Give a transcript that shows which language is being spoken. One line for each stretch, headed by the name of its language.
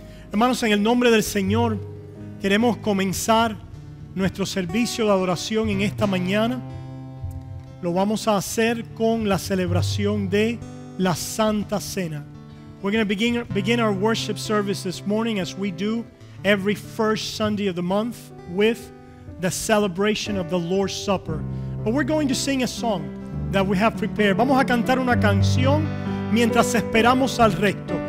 Spanish: Hermanos, en el nombre del Señor, queremos comenzar nuestro servicio de adoración en esta mañana. Lo vamos a hacer con la celebración de la Santa Cena.
English: We're going to begin our worship service this morning, as we do every first Sunday of the month, with the celebration of the Lord's Supper. But we're going to sing a song that we have prepared.
Spanish: Vamos a cantar una canción mientras esperamos al resto.